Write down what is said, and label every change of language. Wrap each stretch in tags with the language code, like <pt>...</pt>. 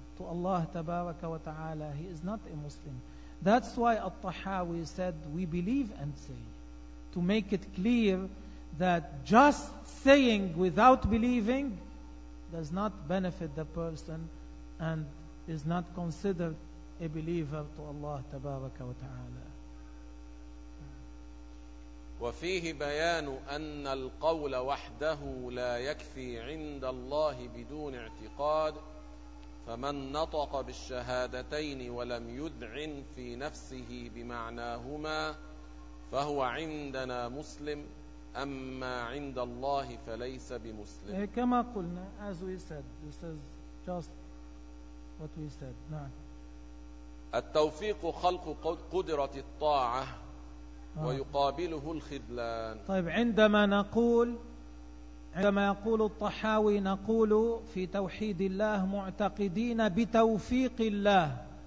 <en>To Allah tabaraka wa ta'ala, he is not a Muslim. That's why At-Tahawi said, we believe and say, to make it clear that just saying without believing does not benefit the person and is not considered a believer to Allah tabaraka wa ta'ala.</en> <ar>وفيه بيان أن القول وحده لا يكفي عند الله بدون اعتقاد فمن نطق بالشهادتين ولم يدعن في نفسه بمعناهما فهو عندنا مسلم أما عند الله فليس بمسلم. كما قلنا,</ar> <en>as we said, this is just what we said.</en> <ar>نعم. التوفيق خلق قدرة الطاعة ويقابله الخذلان. طيب عندما نقول, عندما يقول الطحاوي, نقول في توحيد الله معتقدين بتوفيق الله.</ar>